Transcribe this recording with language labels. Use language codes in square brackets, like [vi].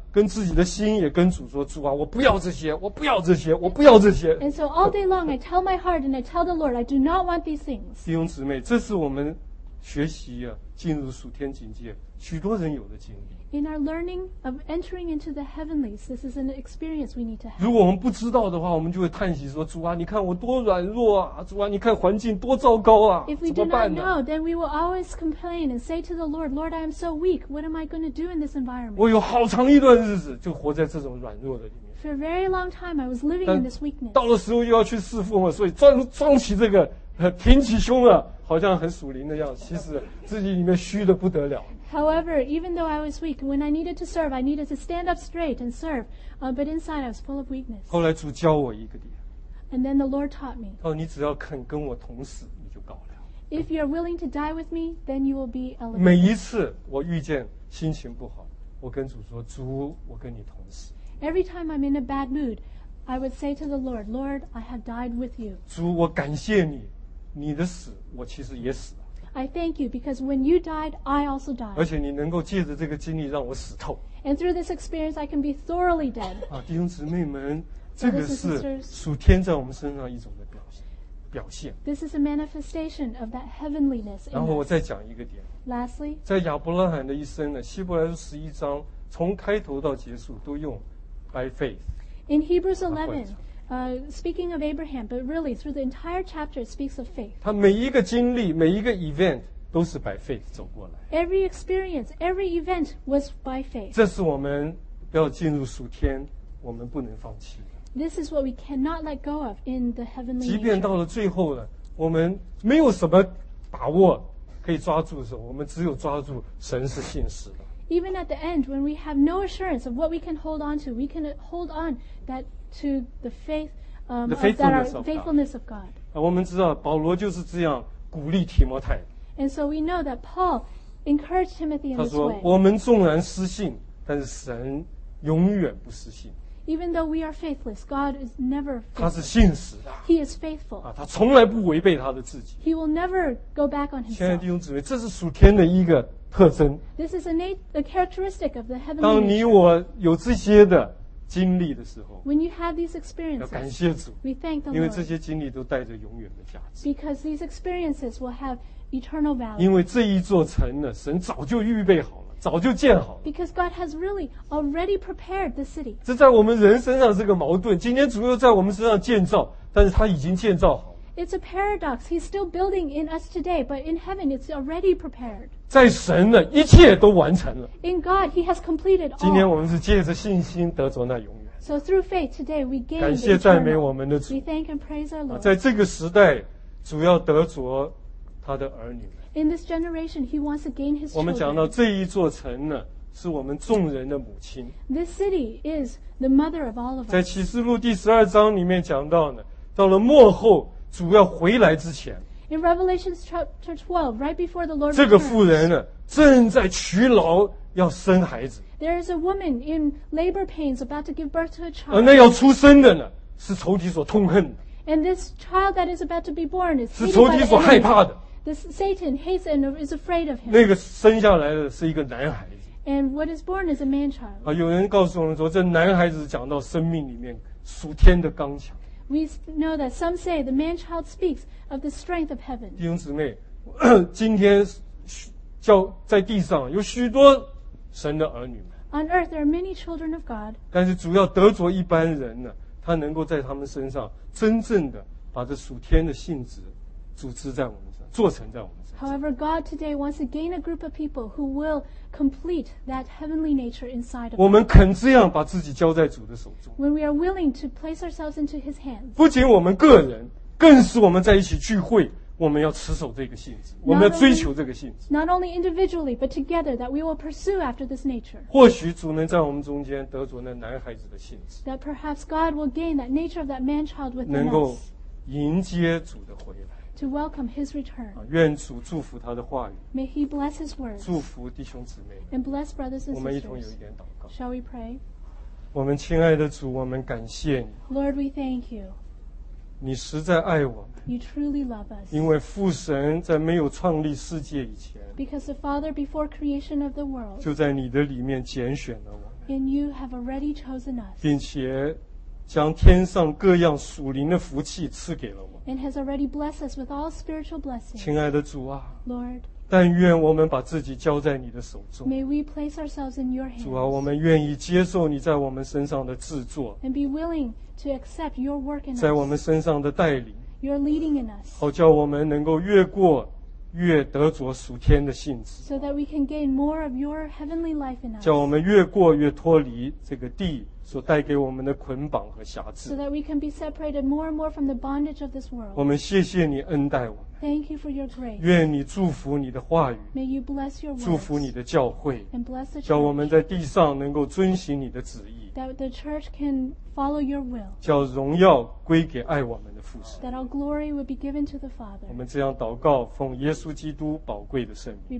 [zh] 跟自己的心也跟主说，主啊，我不要这些，我不要这些，我不要这些。 [en] And so all day long, I tell my heart and I tell the Lord, I do not want these things. [zh] 弟兄姊妹，这是我们学习啊，进入属天境界，许多人有的经历。 [en] In our learning of entering into the heavenlies, this is an experience we need to have. [zh] 如果我们不知道的话，我们就会叹息说：“主啊，你看我多软弱啊！主啊，你看环境多糟糕啊！” [en] If we do not know, then we will always complain and say to the Lord, "Lord, I am so weak. What am I going to do in this environment?" [zh] 我有好长一段日子就活在这种软弱的里面。 [en] For a very long time, I was living in this weakness. [zh] 到了时候又要去侍奉了，所以装起这个，挺起胸了，好像很属灵的样子。其实自己里面虚得不得了。 [en] However, even though I was weak, when I needed to serve, I needed to stand up straight and serve. But inside, I was full of weakness. [zh] 后来主教我一个点。 [en] And then the Lord taught me. [zh] 哦，你只要肯跟我同死，你就高了。 [en] If you are willing to die with me, then you will be elevated. [zh] 每一次我遇见心情不好，我跟主说：“主，我跟你同死。” [en] Every time I'm in a bad mood, I would say to the Lord, "Lord, I have died with you." [zh] 主，我感谢你，你的死，我其实也死。 [en] I thank you because when you died, I also died. [zh] 而且你能够借着这个经历让我死透。 [en] And through this experience, I can be thoroughly dead. [zh] 啊，弟兄姊妹们，这个是属天在我们身上一种的表现。 [en] This is a manifestation of that heavenliness. [zh] 然后我再讲一个点。 [en] Lastly, [zh] 在亚伯拉罕的一生呢，希伯来书十一章从开头到结束都用 [en] by faith. In Hebrews 11. Speaking of Abraham, but really through the entire chapter, it speaks of faith. [zh] 他每一个经历，每一个 event 都是 [en] by faith [zh] 走过来。 [en] Every experience, every event was by faith. [zh] 这是我们要进入属天，我们不能放弃的。 [en] This is what we cannot let go of in the heavenly. [zh] 即便到了最后了，我们没有什么把握可以抓住的时候，我们只有抓住神是信实的。 [en] Even at the end, when we have no assurance of what we can hold on to, we can hold on that. To the faith, the faithfulness of, faithfulness of God. [zh] 我们知道保罗就是这样鼓励提摩太。 [en] And so we know that Paul encouraged Timothy in this way. [zh] 他说：“我们纵然失信，但是神永远不失信。” [en] Even though we are faithless, God is never faithless. [zh] 他是信实的。 [en] He is faithful. [zh] 他从来不违背他的自己。 [en] He will never go back on himself. [zh] 亲爱的弟兄姊妹，这是属天的一个特征。 [en] This is a characteristic of the heavenly. [zh] 当你我有这些的。经历的时候 [en] when you have these experiences, [zh] 要感谢主 [en] we thank the Lord, [zh] 因为这些经历都带着永远的价值 [en] because these experiences will have eternal value [zh] 因为这一座城呢神早就预备好了早就建好了 [en] because God has really already prepared the city [zh] 这在我们人身上是个矛盾今天主又在我们身上建造但是他已经建造好了 [en] it's a paradox he's still building in us today but in heaven it's already prepared [zh] 在神呢一切都完成了 [en] in God he has completed all [zh] 今天我们是借着信心得着那永远 [en] so through faith today we gain [zh] 感谢赞美我们的主 [en] we thank and praise our Lord [zh] 在这个时代主要得着他的儿女 [en] in this generation he wants to gain his children [zh] 我们讲到这一座城呢是我们众人的母亲 [en] this city is the mother of all of us [zh] 在启示录第十二章里面讲到呢到了末后主要回来之前 [en] in Revelation chapter 12 right before the Lord [zh] 这个妇人呢正在娶劳要生孩子 [en] there is a woman in labor pains about to give birth to a child [zh] 而那要出生的呢是仇敌所痛恨的 [en] and this child that is about to be born is [zh] 是仇敌所害怕的 [en] this Satan hates and is afraid of him [zh] 那个生下来的是一个男孩子 [en] and what is born is a man child [zh] 啊，有人告诉我们说这男孩子讲到生命里面属天的刚强 [en] We know that some say the man-child speaks of the strength of heaven. [zh] 弟兄姊妹，今天叫在地上有许多神的儿女们。 [en] On earth there are many children of God. [zh] 但是主要得着一般人呢，他能够在他们身上真正的把这属天的性质组织在我们身上，做成在我们身上。 [en] However, God today wants to gain a group of people who will complete that heavenly nature inside of us. [zh] 我们肯这样把自己交在主的手中。 [en] When we are willing to place ourselves into His hands. [zh] 不仅我们个人，更是我们在一起聚会，我们要持守这个性质，我们要追求这个性质。 [en] Not only individually, but together, that we will pursue after this nature. [zh] 或许主能在我们中间得着那男孩子的性质。 [en] That perhaps God will gain that nature of that man-child within us. [zh] 能够迎接主的回来。 [en] To welcome his return. [zh] 愿主祝福他的话语。 [en] May he bless his words. [zh] 祝福弟兄姊妹。 [en] And bless brothers and sisters. [zh] 我们一同有一点祷告。 [en] Shall we pray? [zh] 我们亲爱的主，我们感谢你。 [en] Lord, we thank you. [zh] 你实在爱我们。 [en] You truly love us. [zh] 因为父神在没有创立世界以前。 [en] Because the Father before creation of the world. [zh] 就在你的里面拣选了我们。 [en] And you have already chosen us. [zh] 并且将天上各样属灵的福气赐给了我们。 [en] And has already blessed us with all spiritual blessings. [zh] 亲爱的主啊 [en] ，Lord， [zh] 但愿我们把自己交在你的手中。 [en] May we place ourselves in your hands. [zh] 主啊，我们愿意接受你在我们身上的制作。 [en] And be willing to accept your work in us. [zh] 在我们身上的带领。 [en] You're leading in us. [zh] 好叫我们能够越过越得着属天的性质。 [en] So that we can gain more of your heavenly life in us. [zh] 叫我们越过越脱离这个地所带给我们的捆绑和辖制。 [en] So that we can be separated more and more from the bondage of this world. [zh] 我们谢谢你恩待我们。 [en] Thank you for your grace. [zh] 愿你祝福你的话语。 [en] May you bless your words. [zh] 祝福你的教会。 [en] And bless the church. [zh] 叫我们在地上能够遵行你的旨意。 [en] That the church can follow your will. [zh] 叫荣耀归给爱我们的父神。 [en] That all glory will be given to the Father. [zh] 我们这样祷告，奉耶稣基督宝贵的圣名。